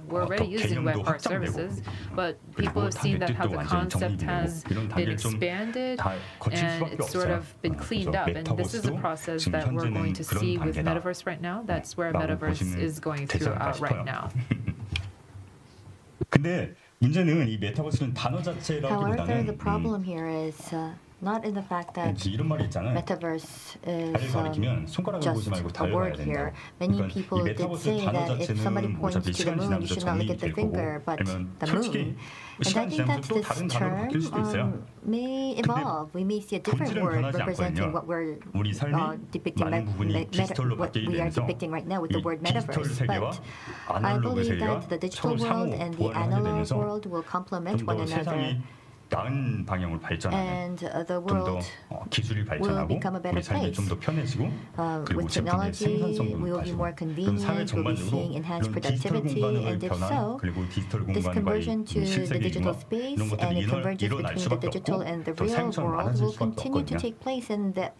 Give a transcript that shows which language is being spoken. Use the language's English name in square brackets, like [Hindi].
[English] We're already using web hard services, but people have seen that how the concept has been expanded and it's sort of been cleaned up. And this is a process that we're going to see with Metaverse right now. That's where Metaverse is going through right now. [Korean] 근데 문제는 이 메타버스는 단어 자체라기보다는 [English] However, the problem here is not in the fact that metaverse is just a word here. Many people did say that if somebody points to the moon, you should not look at the finger, but the moon. And I think that this term may evolve. We may see a different word representing what we're depicting, what we are depicting right now with the word metaverse. But I believe that the digital world and the analog world will complement one another. [Korean] 나은 방향으로 발전하는 좀 더 기술이 발전하고 우리 삶이 좀 더 편해지고 그리고 제품의 생산성도 높아지고 그럼 사회 전반적으로 디지털 공간을 변화 그리고 디지털 공간과의 실세계 융화 이런 것들이 일어날 수밖에 없고 더 사용처럼 많아질 수밖에 없거든요.